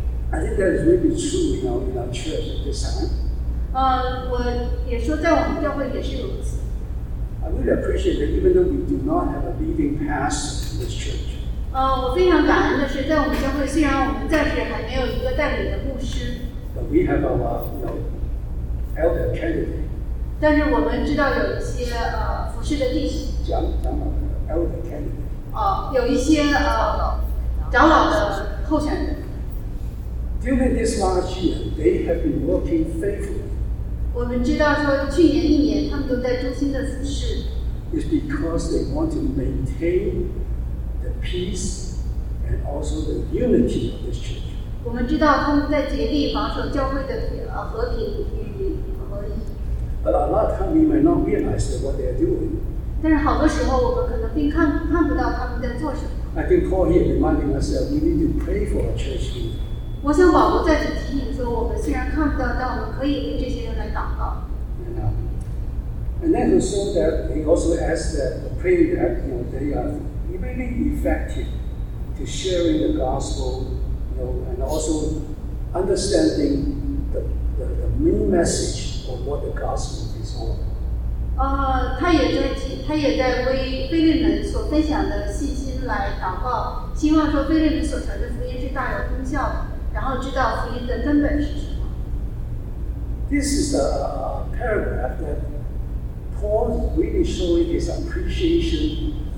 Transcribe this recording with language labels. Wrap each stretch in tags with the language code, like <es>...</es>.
<en>I think that is really true in our church at this time.</en> <zh>我也说在我们教会也是如此。</zh> <en>I really appreciate that even though we do not have a leading pastor in this church.</en> <zh>我非常感恩的是，在我们教会，虽然我们暂时还没有一个带领的牧师</zh> <en>，But we have our, you know, elder candidate.</en> <zh>但是我们知道有一些服侍的弟兄。</zh> <en>Elder candidate.</en> <zh>有一些长老的候选人。</zh> <en>During this last year, they have been working faithfully.</en> <zh>我们知道说，去年一年，他们都在忠心的服侍。</zh> <en>It's because they want to maintain. The peace and also the unity of this church.</en> <zh>我们知道他们在竭力保守教会的和平与合一。</zh> <en>But a lot of times we might not realize what they are doing.</en> <zh>但是好多时候我们可能并看不到他们在做什么。</zh> <en>I think Paul here reminding us that we need to pray for our church here.</en> <zh>我想保罗再次提醒说，我们虽然看不到，但我们可以为这些人来祷告。</zh> <en>And then also that he also asked that the prayer that you know they are. Really effective to sharing the gospel, you know, and also understanding the main message of what the gospel is all.</en> <zh>他也在为腓立门所分享的信心来祷告，希望说腓立门所传的福音是大有功效，然后知道福音的根本是什么。</zh> <en>This is a paragraph that Paul really showing his appreciation.</en>